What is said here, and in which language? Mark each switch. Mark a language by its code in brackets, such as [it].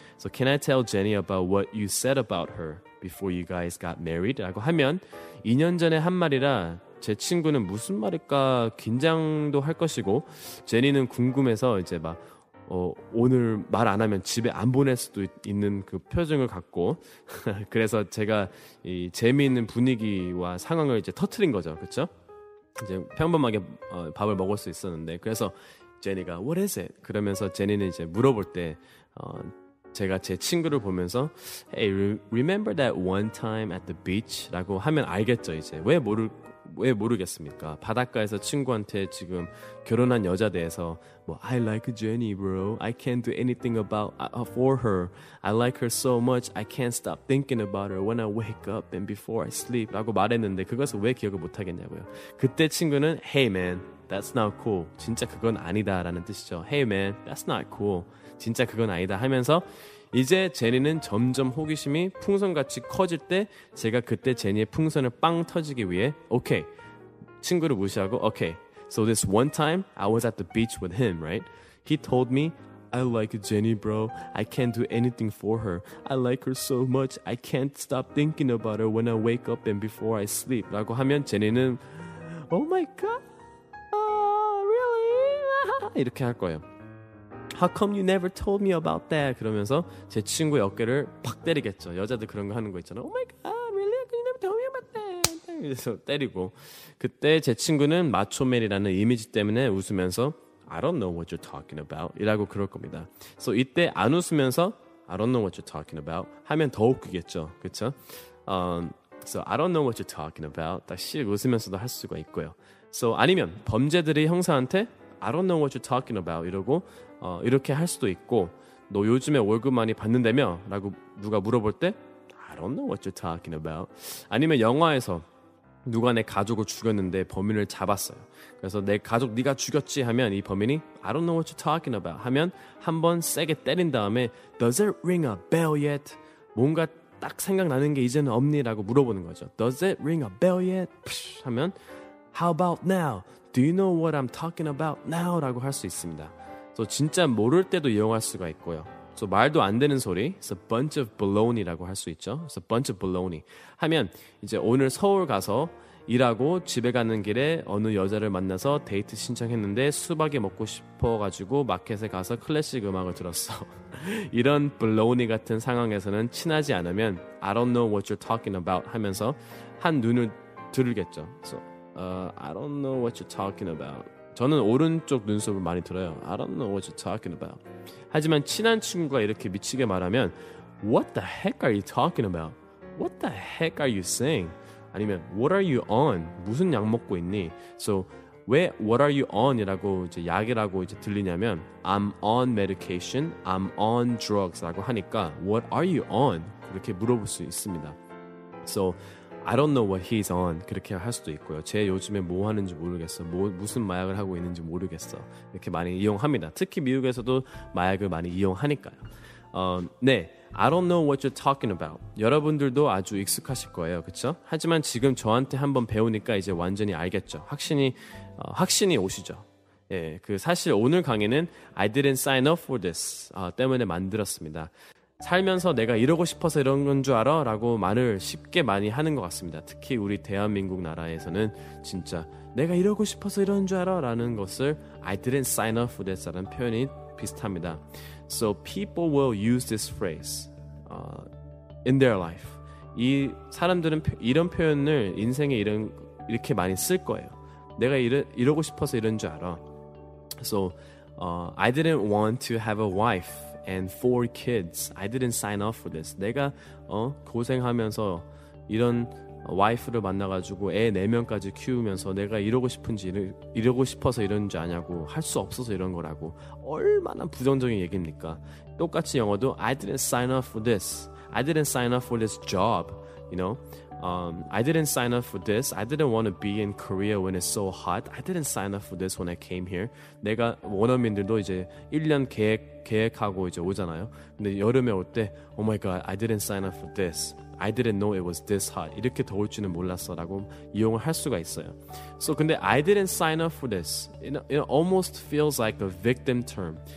[en] So can I tell Jenny about what you said about her before you guys got married? [ko] 라고 하면 2년 전에 한 말이라 제 친구는 무슨 말일까 긴장도 할 것이고 제니는 궁금해서 이제 막 오늘 말 안 하면 집에 안 보낼 수도 있는 그 표정을 갖고 그래서 제가 이 재미있는 분위기와 상황을 이제 터트린 거죠. 그렇죠? 이제 평범하게 밥을 먹을 수 있었는데 그래서 제니가 [en] What is it? [ko] 그러면서 제니는 이제 물어볼 때 제가 제 친구를 보면서 [en] Hey, remember that one time at the beach? [ko] 라고 하면 알겠죠. 이제 왜 모르겠습니까? 바닷가에서 친구한테 지금 결혼한 여자 대해서 뭐 [en] I like Jenny, bro. I can't do anything about for her. I like her so much. I can't stop thinking about her when I wake up and before I sleep. [ko] 라고 말했는데 그것을 왜 기억을 못 하겠냐고요. 그때 친구는 [en] Hey man, that's not cool. [ko] 진짜 그건 아니다라는 뜻이죠. [en] Hey man, that's not cool. [ko] 진짜 그건 아니다 하면서 이제 제니는 점점 호기심이 풍선같이 커질 때 제가 그때 제니의 풍선을 빵 터지기 위해 오케이 친구를 무시하고 오케이 [en] So this one time I was at the beach with him, right? He told me I like Jenny, bro. I can't do anything for her. I like her so much. I can't stop thinking about her when I wake up and before I sleep. [ko] 라고 하면 제니는 [en] Oh my god, really? [ko] 이렇게 할 거예요. [en] How come you never told me about that? [ko] 그러면서 제 친구의 어깨를 팍 때리겠죠. 여자들 그런 거 하는 거 있잖아. [en] Oh my god, really? How come you never told me about that? [ko] 그래서 때리고 그때 제 친구는 마초맨이라는 이미지 때문에 웃으면서 [en] I don't know what you're talking about [ko] 이라고 그럴 겁니다. [en] So [ko] 이때 안 웃으면서 [en] I don't know what you're talking about [ko] 하면 더 웃기겠죠. 그쵸? [en] So I don't know what you're talking about [ko] 딱 씩 웃으면서도 할 수가 있고요. So 아니면 범죄들이 형사한테 [en] I don't know what you're talking about [ko] 이러고 이렇게 할 수도 있고 너 요즘에 월급 많이 받는다며? 라고 누가 물어볼 때 [en] I don't know what you're talking about [ko] 아니면 영화에서 누가 내 가족을 죽였는데 범인을 잡았어요 그래서 내 가족 네가 죽였지 하면 이 범인이 I don't know what you're talking about 하면 한번 세게 때린 다음에 [en] Does it ring a bell yet? [ko] 뭔가 딱 생각나는 게 이제는 없니? 라고 물어보는 거죠 [en] Does it ring a bell yet? 하면 How about now? Do you know what I'm talking about now? [ko] 라고 할 수 있습니다 또 진짜 모를 때도 이용할 수가 있고요. 또 말도 안 되는 소리, [en] it's a bunch of baloney [ko] 라고 할 수 있죠. [en] It's a bunch of baloney [ko] 하면 이제 오늘 서울 가서 일하고 집에 가는 길에 어느 여자를 만나서 데이트 신청했는데 수박이 먹고 싶어가지고 마켓에 가서 클래식 음악을 들었어. 이런 baloney 같은 상황에서는 친하지 않으면 [en] I don't know what you're talking about [ko] 하면서 한 눈을 들겠죠. [en] So, I don't know what you're talking about. [ko] 저는 오른쪽 눈썹을 많이 들어요. [en] I don't know what you're talking about. [ko] 하지만 친한 친구가 이렇게 미치게 말하면 [en] What the heck are you talking about? What the heck are you saying? 아니면 What are you on? [ko] 무슨 약 먹고 있니? So 왜 [en] What are you on? [ko] 이라고 이제 약이라고 이제 들리냐면 [en] I'm on medication. I'm on drugs. [ko] 라고 하니까 [en] What are you on? [ko] 이렇게 물어볼 수 있습니다. [en] So I don't know what he's on. [ko] 그렇게 할 수도 있고요. 쟤 요즘에 뭐 하는지 모르겠어. 무슨 마약을 하고 있는지 모르겠어. 이렇게 많이 이용합니다. 특히 미국에서도 마약을 많이 이용하니까요. [en] 네, I don't know what you're talking about. [ko] 여러분들도 아주 익숙하실 거예요. 그렇죠? 하지만 지금 저한테 한번 배우니까 이제 완전히 알겠죠. 확신이 오시죠. 예, 그 사실 오늘 강의는 [en] I didn't sign up for this [ko] 때문에 만들었습니다. 살면서 내가 이러고 싶어서 이런 건 줄 알아? 라고 말을 쉽게 많이 하는 것 같습니다. 특히 우리 대한민국 나라에서는 진짜 내가 이러고 싶어서 이런 줄 알아? 라는 것을 [en] I didn't sign up for this [ko] 라는 표현이 비슷합니다. [en] So people will use this phrase in their life. [ko] 이 사람들은 이런 표현을 인생에 이렇게 많이 쓸 거예요. 내가 이러고 싶어서 이런 줄 알아? [en] So I didn't want to have a wife. And four kids. I didn't sign up for this. [ko] 내가 고생하면서 이런 와이프를 만나가지고 애 네 명까지 키우면서 내가 이러고 싶은지 이러고 싶어서 이런 줄 아냐고 할 수 없어서 이런 거라고 얼마나 부정적인 얘기입니까? 똑같이 영어도 [en] I didn't sign up for this. I didn't sign up for this job. You know, I didn't sign up for this. I didn't want to be in Korea when it's so hot. I didn't sign up for this when I came here. [ko] 내가 원어민들도 이제 1년 계획하고 이제 오잖아요. 근데 여름에 올 때, [en] Oh my God, I didn't sign up for this. I didn't know it was this hot. [ko] 이렇게 더울 줄은 몰랐어 라고 이용을 할 수가 있어요. [en] So, 근데 I didn't sign up for this. It almost feels like a victim term.